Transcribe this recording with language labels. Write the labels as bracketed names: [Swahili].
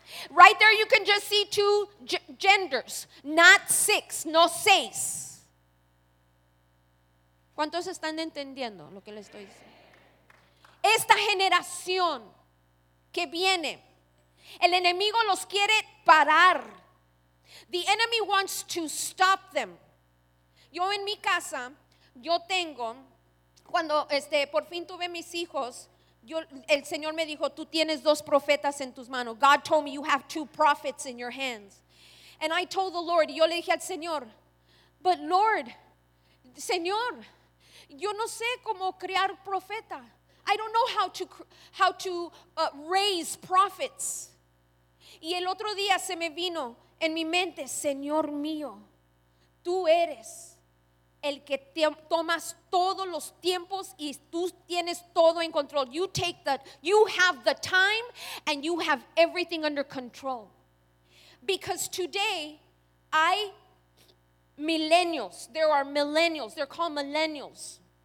[English] Right there you can just see two genders, not six, [Spanish] no seis. ¿Cuántos están entendiendo lo que les estoy diciendo? Esta generación que viene, el enemigo los quiere parar. [English] The enemy wants to stop them. [Spanish] Yo en mi casa, yo tengo, cuando por fin tuve mis hijos, yo, el Señor me dijo, tú tienes dos profetas en tus manos. [English] God told me you have two prophets in your hands. And I told the Lord, [Spanish] yo le dije al Señor, [English] but Lord, [Spanish] Señor, yo no sé cómo criar profeta. [English] I don't know how to raise prophets. [Spanish] Y el otro día se me vino en mi mente, Señor mío, tú eres el que tomas todos los tiempos y tú tienes todo en control. [English] You take that, you have the time and you have everything under control. Because today [Spanish] hay millennials, [English] there are millennials, they're called millennials.